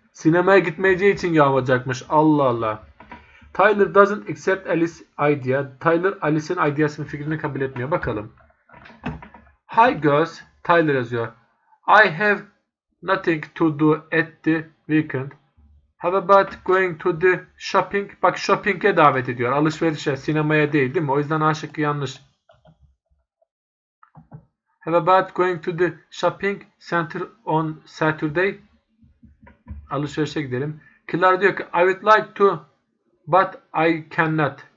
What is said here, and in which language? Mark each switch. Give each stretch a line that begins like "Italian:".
Turkish: Sinemaya gitmeyeceği için yağmayacakmış. Allah Allah.
English: Tyler doesn't accept Alice's idea.
Turkish: Tyler, Alice'in ideasını, fikrini kabul etmiyor. Bakalım. Hi girls, Tyler yazıyor.
English: I have nothing to do at the weekend. How about going to the shopping?
Turkish: Bak, shopping'e davet ediyor. Alışverişe, sinemaya değil, değil mi? O yüzden A şıkkı yanlış.
English: How about going to the shopping center on Saturday?
Turkish: Alışverişe gidelim.
English: Killer
Turkish: diyor ki,
English: I would like to, but I cannot.